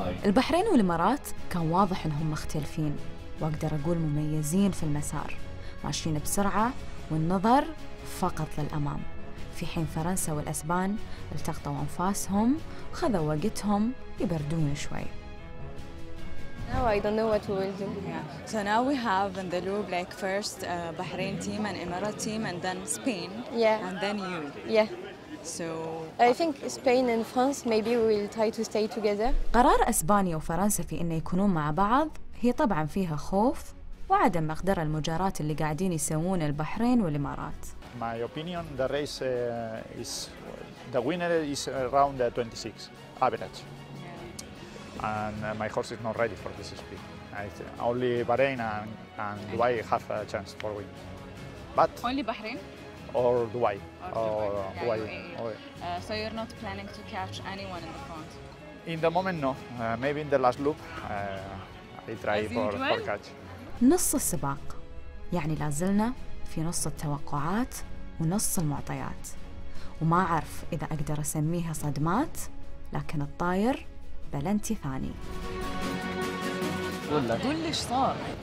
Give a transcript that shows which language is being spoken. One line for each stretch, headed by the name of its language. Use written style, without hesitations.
Arabic: البحرين والإمارات كان واضح إنهم مختلفين وأقدر أقول مميزين في المسار ماشيين بسرعة والنظر فقط للأمام في حين فرنسا والأسبان التقطوا أنفاسهم وخذوا وقتهم يبردون شوي
English: Now I don't know what we will do. Yeah. So now we have in the loop like first Bahrain team and Emirate team and then Spain yeah. and then you. Yeah. So I think Spain and France maybe we will try to stay together.
Arabic: قرار أسبانيا وفرنسا في أن يكونون مع بعض هي طبعا فيها خوف وعدم مقدار المجارات اللي قاعدين يسوون البحرين والإمارات.
English: My opinion the race is the winner is around 26 average and my horse is not ready for this speed. Only Bahrain and Dubai have a chance for win. But only Bahrain or Dubai or Dubai. So you're not planning to catch anyone in the front? In the moment no. Maybe in the last loop I try for catch.
Arabic: نص السباق يعني لازلنا في نص التوقعات ونص المعطيات وما أعرف إذا أقدر أسميها صدمات لكن الطاير بلنتي ثاني قول لي إيش صار